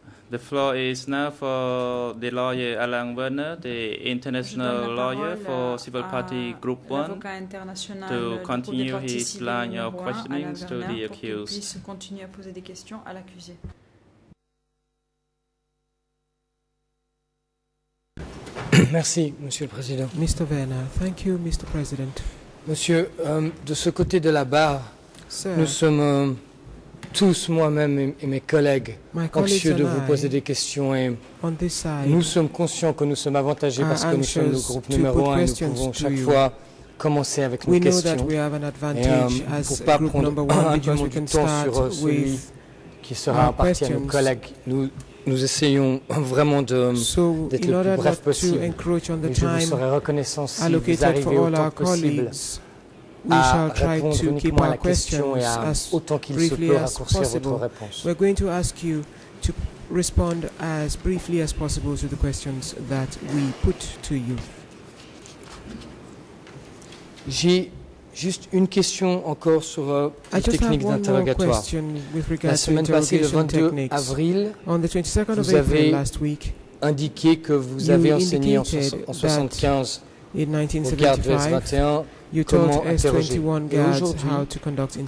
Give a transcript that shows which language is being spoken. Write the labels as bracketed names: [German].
[English] The floor is now for the lawyer Alain Werner, the international lawyer for Civil Party Group 1, to continue his line of questioning to the accused. [French] Pour qu'il continue à poser des questions à l'accusé. Merci, Monsieur le Président. [English] Mr. Werner, thank you, Mr. President. [French] Monsieur, de ce côté de la barre, [English] sir, [French] nous sommes tous, moi-même et mes collègues, anxieux de vous poser des questions et nous sommes conscients que nous sommes avantagés parce que nous sommes le groupe numéro un et nous pouvons chaque fois commencer avec nos questions et pour ne pas prendre indûment du temps sur celui qui sera imparti à nos collègues. Nous essayons vraiment d'être le plus bref possible et je vous serai reconnaissant si vous arrivez autant que possible. [English] We shall try to keep our questions as briefly as possible. We're going to ask you to respond as briefly as possible to the questions that we put to you. [French] J'ai juste une question encore sur la technique d'interrogatoire. La semaine passée, le 22 avril, vous avez indiqué que vous avez enseigné en 1975 [English] S21 guards how to conduct interrogations.